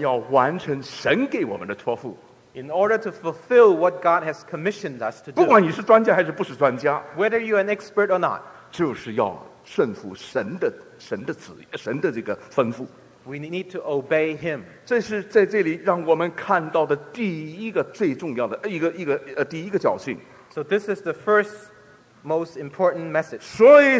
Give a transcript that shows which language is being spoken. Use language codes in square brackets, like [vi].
[zh] 要完成神给我们的托付。 [en] In order to fulfill what God has commissioned us to do. [zh] 不管你是专家还是不是专家。 [en] Whether you're an expert or not. [zh] 就是要顺服神的这个吩咐。 [en] We need to obey him. [zh] 这是在这里让我们看到的第一个最重要的一个第一个教训。 [en] So this is the first most important message.